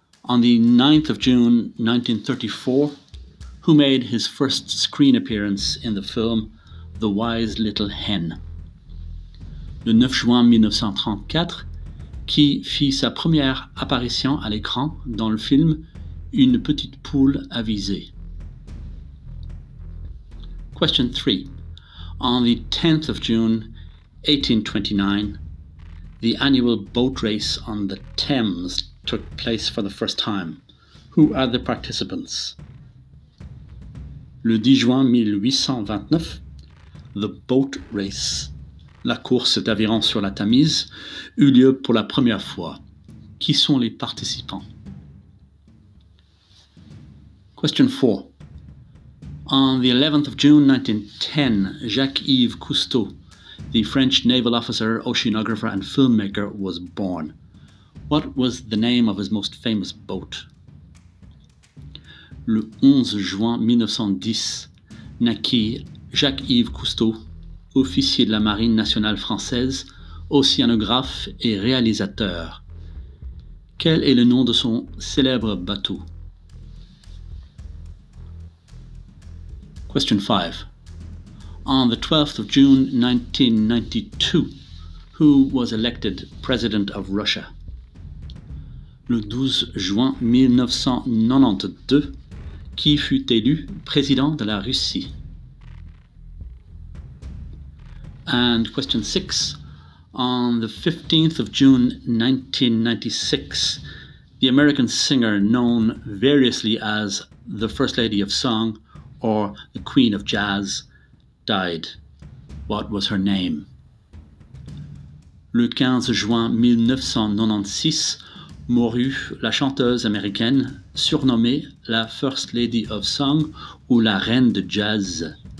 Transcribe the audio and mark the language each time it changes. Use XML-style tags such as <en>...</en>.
<en>On the 9th of June, 1934, who made his first screen appearance in the film The Wise Little Hen?</en> <fr>Le 9 juin 1934, qui fit sa première apparition à l'écran dans le film Une petite poule avisée.</fr> <en>Question 3. On the 10th of June, 1829, the annual boat race on the Thames took place for the first time. Who are the participants?</en> <fr>Le 10 juin 1829,</fr> <en>the boat race.</en> <fr>La course d'aviron sur la Tamise eut lieu pour la première fois. Qui sont les participants?</fr> <en>Question 4. On the 11th of June 1910, Jacques-Yves Cousteau, the French naval officer, oceanographer and filmmaker, was born. What was the name of his most famous boat?</en> <fr>Le 11 juin 1910, naquit Jacques-Yves Cousteau, officier de la Marine nationale française, océanographe et réalisateur. Quel est le nom de son célèbre bateau?</fr> <en>Question 5. On the 12th of June 1992, who was elected President of Russia?</en> <fr>Le 12 juin 1992, qui fut élu président de la Russie?</fr> <en>And question 6. On the 15th of June 1996, the American singer known variously as the First Lady of Song or the Queen of Jazz died. What was her name?</en> <fr>Le 15 juin 1996, mourut la chanteuse américaine surnommée la First Lady of Song ou la Reine de Jazz.</fr>